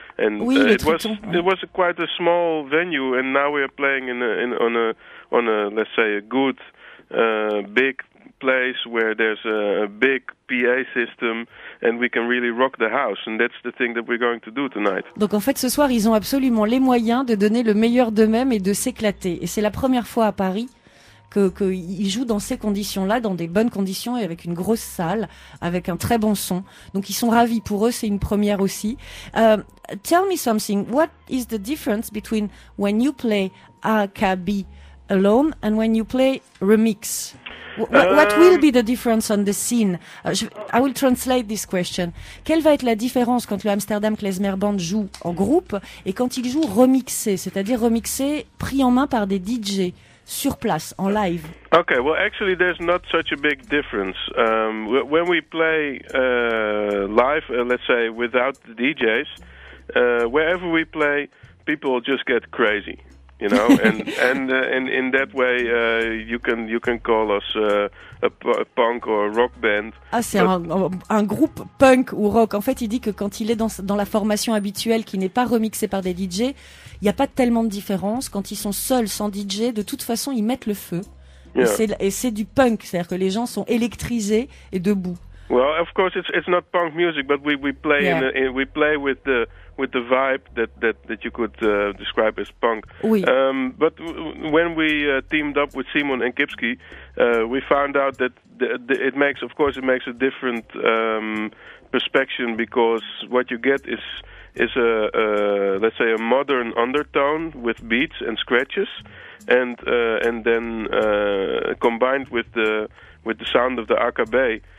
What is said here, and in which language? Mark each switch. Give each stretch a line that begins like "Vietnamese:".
English: And
French: oui,
English: it was quite a small venue, and now we are playing on a let's say a good big place where there's a big PA system, and we can really rock the house, and that's the thing that we're going to do tonight.
French: Donc en fait, ce soir, ils ont absolument les moyens de donner le meilleur d'eux-mêmes et de s'éclater. Et c'est la première fois à Paris qu'ils jouent dans ces conditions-là, dans des bonnes conditions et avec une grosse salle, avec un très bon son. Donc ils sont ravis pour eux, c'est une première aussi.
English: Tell me something, what is the difference between when you play AKB alone and when you play remix? What will be the difference on the scene? I will translate this question.
French: Quelle va être la différence quand le Amsterdam Klezmer Band joue en groupe et quand il joue remixé, c'est-à-dire remixé pris en main par des DJ sur place, en live?
English: Okay, well, actually, there's not such a big difference. When we play live, let's say, without the DJs, wherever we play, people just get crazy, you know? and in that way, you can call us a punk or a rock band.
French: Ah, c'est un groupe punk ou rock. En fait, il dit que quand il est dans la formation habituelle qui n'est pas remixée par des DJs, il n'y a pas tellement de différence. Quand ils sont seuls, sans DJ, de toute façon, ils mettent le feu.
English: Yeah.
French: Et c'est du punk, c'est-à-dire que les gens sont électrisés et debout.
English: Well, of course, it's not punk music, but we play with the vibe that you could describe as punk.
French: Oui.
English: But when we teamed up with Simon and Kipski, we found out that it makes a different perspective because what you get is a modern undertone with beats and scratches, and then combined with the sound of the AKB,